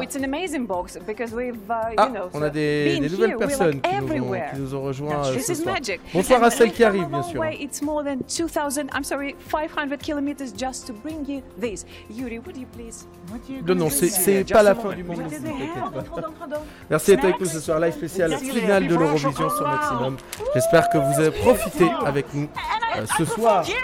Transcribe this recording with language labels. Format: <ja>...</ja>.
<en>Oh, it's an amazing box because we've, you know,</en> <fr>on a des nouvelles personnes qui nous ont rejoints ce soir. Bonsoir à celles qui arrivent, bien sûr.</fr> <en>It's more than 2,000. I'm sorry, 500 kilometers just to bring you this. Yuri, would you please?</en> <fr>Non, non, c'est pas la fin du monde. Merci d'être avec nous ce soir, live spécial finale de l'Eurovision sur Maximum. J'espère que vous avez profité avec nous ce soir.</fr>